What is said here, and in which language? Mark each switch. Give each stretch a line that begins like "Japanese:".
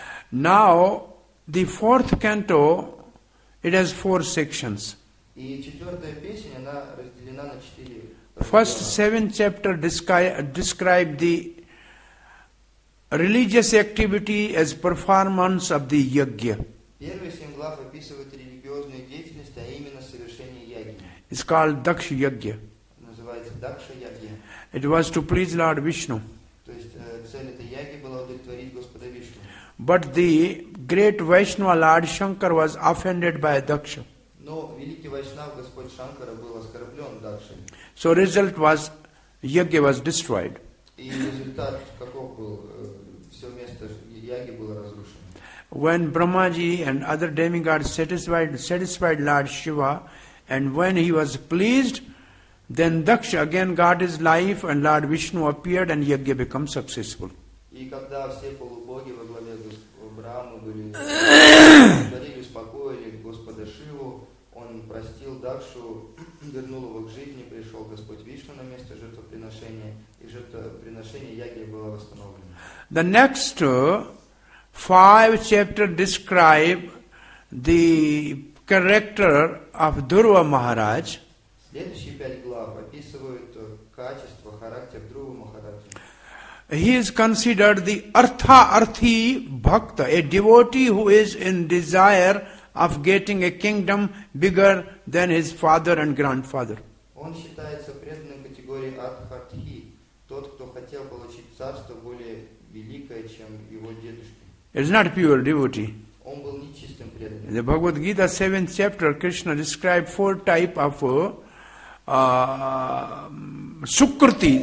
English: Now, the fourth canto, it has four sections.
Russian: И четвертая песня, она разделена на четыре.
English: First seven chapter describe the religious activity as performance of the yagya.
Russian: Первые семь глав описывают религиозную деятельность, а именно совершение яги.
English: It's called Daksha Yagya.
Russian: Называется Daksha Yagya.
English: It was to please Lord Vishnu.
Russian: То есть цель этой яги была удовлетворить Господа Вишну.
English: But the great Vaishnava Lord Shankar was offended by Daksha.
Russian: Но великий Вайшнав Господь Шанкара был оскорблен Дакшей.
English: So result was, Yagya was destroyed.
Russian: И результат каков был? Все место Яги было разрушено.
English: When Brahmaji and other demigods satisfied Lord Shiva, and when he was pleased, then Daksha again got his life and Lord Vishnu appeared and Yagya became successful.
Russian: И когда все полубоги во главе с Брахмой были успокоили Господа Шиву, он простил Дакшу, вернул его к жизни, пришел Господь Вишну на место жертвоприношения, и жертвоприношение Ягья было восстановлено.
English: The next five chapters describe the character of Dhruva Maharaj.
Russian: Следующие пять глав описывают качество, характер Дхрува Махараджа.
English: He is considered the artha-arthi bhakta, a devotee who is in desire of getting a kingdom bigger than his father and grandfather.
Russian: Он считается преданным категорией артха-артхи, тот, кто хотел получить царство более великое, чем его дедушки.
English: It's not pure devotee.
Russian: Он был нечистым преданным.
English: In the Bhagavad Gita 7th chapter, Krishna described four type of sukriti.